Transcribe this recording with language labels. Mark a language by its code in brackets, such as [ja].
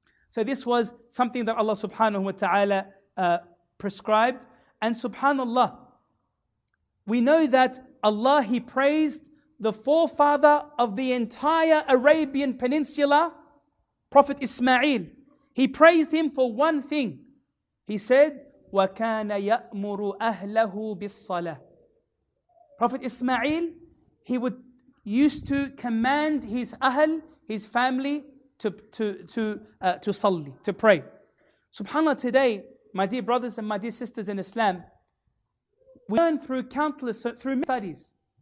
[en] So this was something that Allah subhanahu wa ta'ala prescribed. And subhanallah, we know that Allah, He praised the forefather of the entire Arabian Peninsula, Prophet Ismail. He praised him for one thing. He said, [ar] وَكَانَ يَأْمُرُ أَهْلَهُ بِالصَّلَةِ. [en] Prophet Ismail, he would used to command his ahl, his family, to salli, to pray. SubhanAllah, today, my dear brothers and my dear sisters in Islam, we learn through countless, through many studies.